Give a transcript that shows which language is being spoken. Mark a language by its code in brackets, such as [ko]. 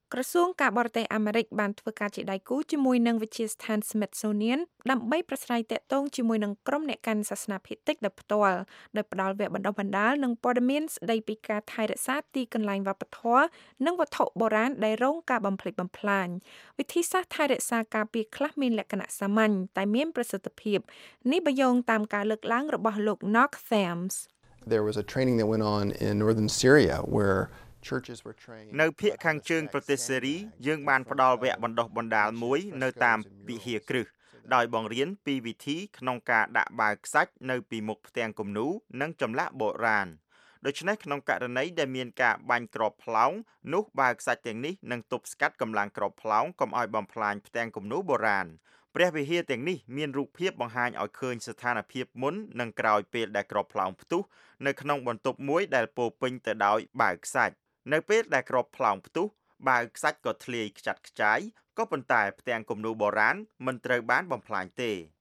[km] ក្រសួងការបរទេសអាមេរិកបានធ្វើការជាដៃគូជាមួយនឹងវិទ្យាស្ថាន Smithsonian ដើម្បីប្រស្រ័យទាក់ទងជាមួយនឹងក្រុមអ្នកកាន់សាសនាភេទិចដោយផ្ទាល់ដោយផ្ដល់វគ្គបណ្ដុះបណ្ដាលនិងព័ត៌មានស្ដីពីការថែរក្សាទីកន្លែងវប្បធម៌និងវត្ថុបុរាណដែលរងការបំផ្លិចបំផ្លាញវិធីសាស្ត្រថែរក្សាការពារខ្លះមានលក្ខណៈសាមញ្ញតែមានប្រសិទ្ធភាពនេះបយងតាមការលើកឡើងរបស់លោក Knox Thames [en] There was a training that went on in northern Syria whereChurches were trained [km] នៅភៀកខាងជើងប្រទេសសេរីយើងបានផ្ដល់វគ្គបណ្ដុះបណ្ដាលមួយនៅតាមវិហារគ្រឹះដោយបង្រៀនពីវិធីក្នុងការដាក់បាវខ្សាច់នៅពីមុខផ្ទាំងគំនូរនិងចម្លាក់បុរាណ ដូច្នេះក្នុងករណីដែលមានការបាញ់ក្របផ្លោងនោះបាវខ្សាច់ទាំងនេះនឹងទប់ស្កាត់កម្លាំងក្របផ្លោងកុំឲ្យបំផ្លាញផ្ទាំងគំនូរបុរាណព្រះវិហារទាំងនេះមានរូបភាពបង្ហាញឲ្យឃើញស្ថានភាពមុននិងក្រោយពេលដែលក្របផ្លោងផ្ទុះនៅក្នុងបន្ទប់មួយដែលពោពេញទៅដោយបាវខ្សាច់នៅពេលដែលក្របផ្លោងផ្ទុះបាវខ្សាច់ក៏ធ្លាយខ្ចាត់ខ្ចាយក៏ប៉ុន្តែផ្ទាំងគំនូរបុរាណមិនត្រូវបានបំផ្លាញទេ